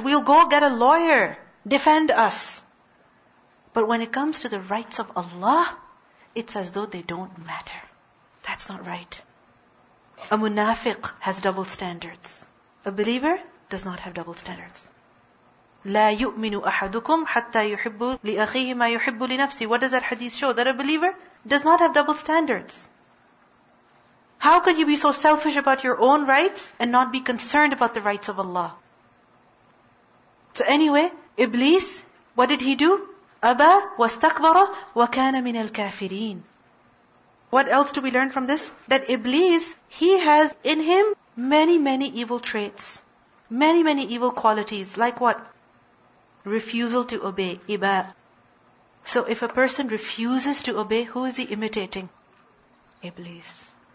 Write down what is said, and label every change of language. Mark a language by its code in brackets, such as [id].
[en] We'll go get a lawyer. Defend us. But when it comes to the rights of Allah, it's as though they don't matter. That's not right. A munafiq has double standards. A believer does not have double standards. [ar] لا يؤمن أحدكم حتى يحب لأخيه ما يحب لنفسه. [en] What does that hadith show? That a believer does not have double standards. How can you be so selfish about your own rights and not be concerned about the rights of Allah? So anyway, Iblis, what did he do? [ar] أبا واستكبر وكان من الكافرين. [en] What else do we learn from this? That Iblis, he has in him many, many evil traits. Many, many evil qualities. Like what? Refusal to obey. Iba. So if a person refuses to obey, who is he imitating? Iblis.